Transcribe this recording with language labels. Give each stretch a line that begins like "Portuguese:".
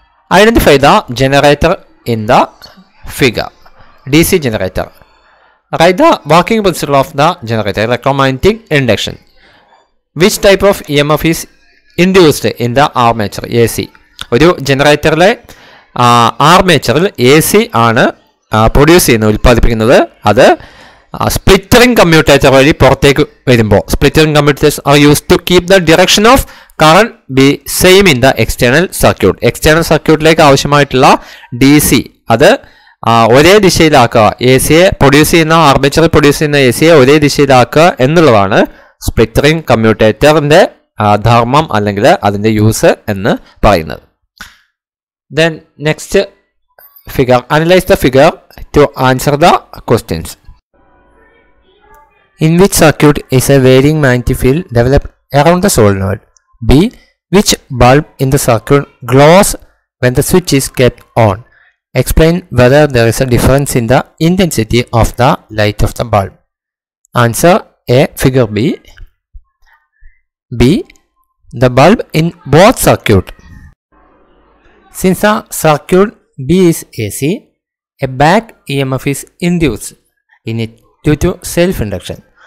English: Identify the generator in the figure, DC generator. Write the working principle of the generator, electromagnetic induction. Which type of EMF is induced in the armature, AC?
Malayalam: ഒരു ജനറേറ്ററിലെ ആർമേച്ചറിൽ A C ആണ് produce ചെയ്യുന്നത്, ഉൽപ്പാദിപ്പിക്കുന്നത്. അത് സ്പ്ലിറ്ററിംഗ് commutator വഴി പുറത്തേക്ക് വരുമ്പോൾ,
English: Split ring commutator are use to keep the direction of current be same in the external circuit.
Malayalam: External സർക്യൂട്ടിലേക്ക് ആവശ്യമായിട്ടുള്ള ഡി സി അത് ഒരേ ദിശയിലാക്കുക, എ സിയെ പ്രൊഡ്യൂസ് ചെയ്യുന്ന ആർമേച്ചറിൽ പ്രൊഡ്യൂസ് ചെയ്യുന്ന എ സിയെ ഒരേ ദിശയിലാക്കുക എന്നുള്ളതാണ് സ്പ്ലിറ്ററിംഗ് കമ്മ്യൂട്ടേറ്ററിൻ്റെ ധർമ്മം, അല്ലെങ്കിൽ അതിൻ്റെ യൂസ് എന്ന് പറയുന്നത്.
English: Then next figure, analyse the figure to answer the questions. In which circuit is a varying magnetic field developed around the solenoid? B which bulb in the circuit glows when the switch is kept on? Explain whether there is a difference in the intensity of the light of the bulb. Answer A. Figure B. B. The bulb in both circuit. Since the circuit B is AC, a back EMF is induced in it due to self-induction.